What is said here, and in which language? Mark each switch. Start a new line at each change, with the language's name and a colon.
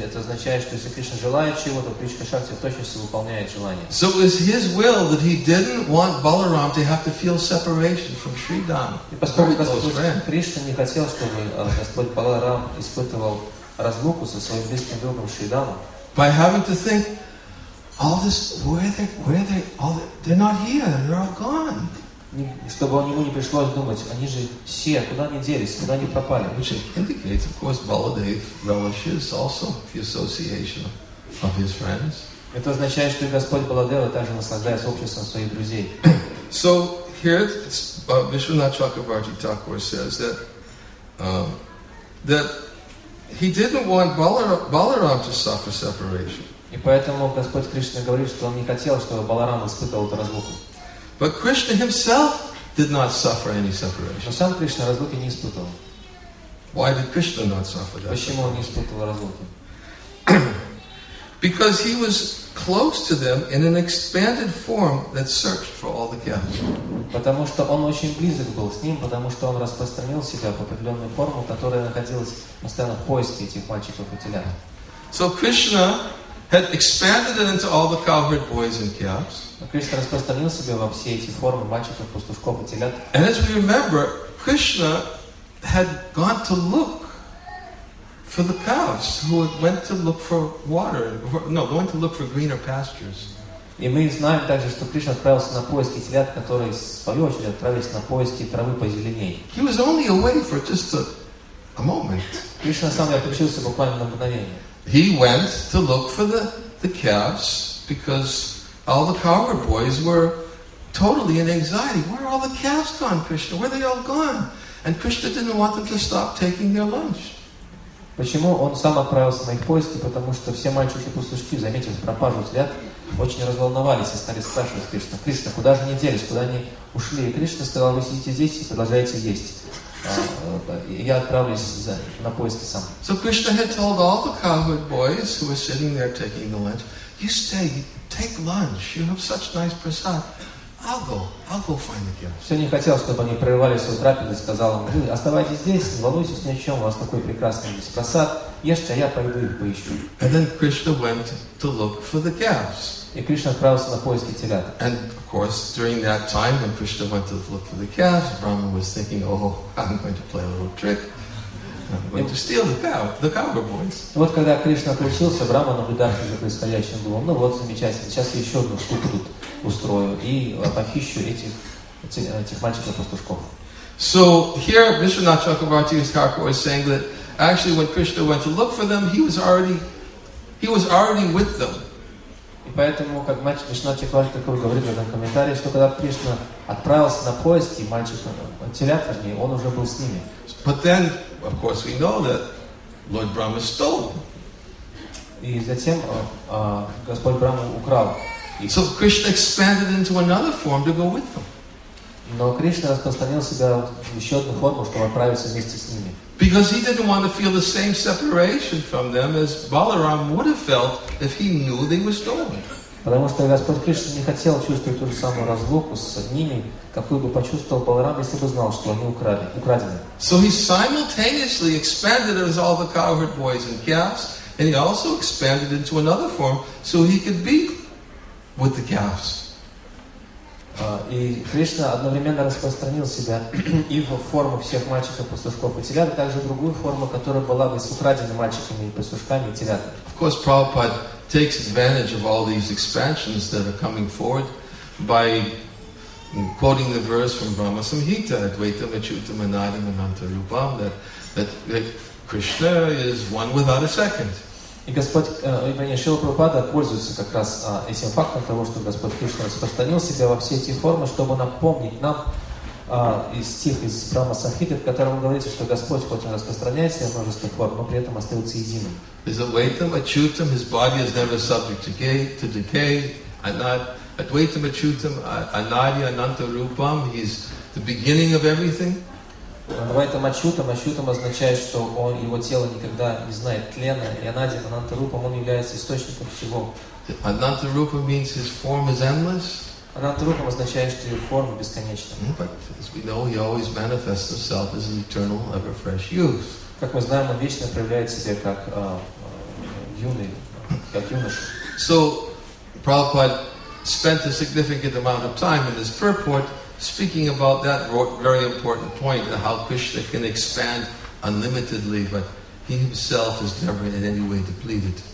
Russian: Это означает, что если Кришна желает чего-то, Icha Shakti точно выполняет желание.
English: So it was his will that he didn't want Balaram to have to feel separation from Sridham.
Russian: И поскольку Господь Кришна не хотел, чтобы Господь Баларам испытывал разлуку со своим близким другом Шридхамом.
English: By having to think, all this, where are they? All this, they're not here. They're all gone.
Russian: Чтобы ему не пришлось думать, они же все, куда они делись, куда они пропали.
English: Which indicates, of course, Baladev relishes also the association of his friends.
Russian: Это означает, что Господь Баладева также наслаждается обществом своих друзей.
English: So here it's Vishwanath Chakravarti Thakur says that that he didn't want Balaram to suffer separation.
Russian: И поэтому Господь Кришна говорит, что он не хотел, чтобы Баларам испытывал эту разлуку.
English: But Krishna himself did not suffer any separation.
Russian: Но сам Кришна разлуки не испытывал.
English: Why did Krishna not suffer that?
Russian: Почему он не испытывал разлуки?
English: Because he was close to them in an expanded form that searched for all the gaps.
Russian: Потому что он очень близок был с ним, потому что он распространил себя по определенной форме, которая находилась постоянно в поиске этих мальчиков и телят.
English: So Krishna had expanded it into all the cowherd boys and calves.
Russian: Кришна распространил себя во все эти формы мальчиков, пастушков и телят.
English: And as we remember, Krishna had gone to look for the cows who went to look for water. Going to look for greener pastures.
Russian: И мы знаем также, что Кришна отправился на поиски телят, которые в свою очередь отправились на поиски травы позеленей.
English: He was only away for just a moment.
Russian: Кришна сам отключился буквально на мгновение.
English: He went to look for the calves because all the cowherd boys were totally in anxiety. Where are all the calves gone, Krishna? Where are they all gone? And Krishna didn't want them to stop taking their lunch.
Russian: Почему он сам отправился на их поиски? Потому что все мальчики-пастушки, заметив пропажу телят, очень разволновались и стали спрашивать Кришну: Кришна, куда же они делись, куда они ушли? И Кришна сказал: вы сидите здесь и продолжаете есть. Я отправлюсь на поиски сам.
English: So Krishna had told all the cowherd boys who were sitting there taking the lunch, "You stay, take lunch. You have such nice prasad. I'll go find the calves."
Russian: Все не хотел, чтобы они прерывали свою трапезу, сказал им: "Вы оставайтесь здесь, не волнуйтесь ни о чем. У вас такой прекрасный прасад. Ешьте, а я пойду их поищу."
English: And then Krishna went to look for the calves.
Russian: И Кришна отправился на поиски телят.
English: And of course, during that time when Krishna went to look for the calves, Brahma was thinking, "Oh, I'm going to play a little trick. I'm going to steal the cowherd boys."
Russian: Вот когда Кришна отключился, Брахма, наблюдавший за происходящим, думал: "Ну вот замечательно, сейчас я еще одну штуку тут устрою и похищу этих мальчиков-пастушков."
English: So here, Vishwanath Chakravarti Thakur is saying that actually, when Krishna went to look for them, he was already with them.
Russian: И поэтому, как мальчик Вишнат Чакварти такой говорит в этом комментарии, что когда Кришна отправился на поиски мальчика, он телят, вернее, он уже был с ними.
English: But then, of course, we know that Lord Brahma stole.
Russian: И затем Господь Брама украл.
English: So Krishna expanded into another form to go with them.
Russian: Но Кришна распространил себя в еще одну форму, чтобы отправиться вместе с ними.
English: Because he didn't want to feel the same separation from them as Balaram would have felt if he knew they were stolen.
Russian: Потому что Господь Кришна не хотел чувствовать ту же самую разлуку с ними, какую бы почувствовал Баларам, если бы знал, что они украдены.
English: So he simultaneously expanded as all the cowherd boys and calves, and he also expanded into another form so he could be with the calves.
Russian: И Кришна одновременно распространил себя и в форму всех мальчиков, пастушков и телят, также другую форму, которая была бы с украденными мальчиками, пастушками и телятами.
English: Of course, Prabhupada takes advantage of all these expansions that are coming forward by quoting the verse from Brahma Samhita,
Sanskrit: Advaita Machuta Manadim Ananta Rupam,
English: that Krishna is one without a second.
Russian: И Господь, вернее, Шрила Прабхупада пользуется как раз этим фактом того, что Господь Кришна распространил себя во все эти формы, чтобы напомнить нам из стих из Брама Самхиты, в котором говорится, что Господь хоть и распространяет себя множество форм, но при этом остается единым.
English: Is Advaitam Achyutam, his body is never subject to decay,
Sanskrit: Advaitam Achyutam, Anadi Ananta Rupam,
English: he is the beginning of everything.
Russian: Адвайтам Ачютам, Ачютам означает, что он, его тело никогда не знает тлена, и Ананти Анантарупам, он является источником всего.
English: Анантарупам means his form is endless.
Russian: Анантарупам означает, что его форма бесконечна.
English: But as we know, he always manifests himself as an eternal, ever fresh youth.
Russian: Как мы знаем, он вечно проявляет себя как юноша.
English: So, Prabhupada spent a significant amount of time in this purport speaking about that very important point, how Krishna can expand unlimitedly, but he himself is never in any way depleted.